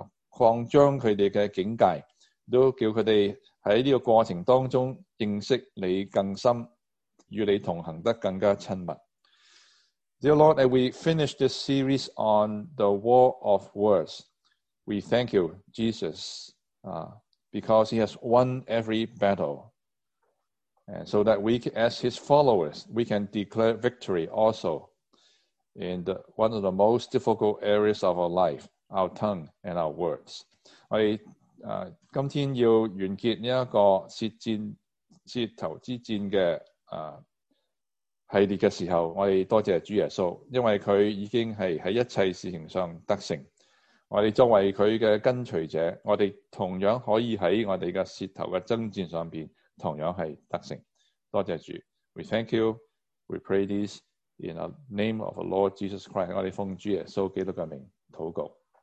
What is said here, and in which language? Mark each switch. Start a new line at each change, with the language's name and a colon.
Chinese: 擴張他們的境界，都叫他們在這個過程當中認識你更深，與你同行得更加親密。
English: Dear Lord, as we finish this series on the war of words, we thank you, Jesus, because he has won every battle, and so that we, as his followers, we can declare victory also in the, one of the most difficult areas of our life,our tongue and our words.
Chinese: 我们今天要完结这个舌头之战的系列的时候，我们多谢主耶稣，因为他已经是在一切事情上得胜。我们作为他的跟随者，我们同样可以在我们的舌头的征战上面同样是得胜。多谢主。
English: We thank you, we pray this in the name of the Lord Jesus Christ.
Chinese: 我们奉主耶稣基督的名祷告。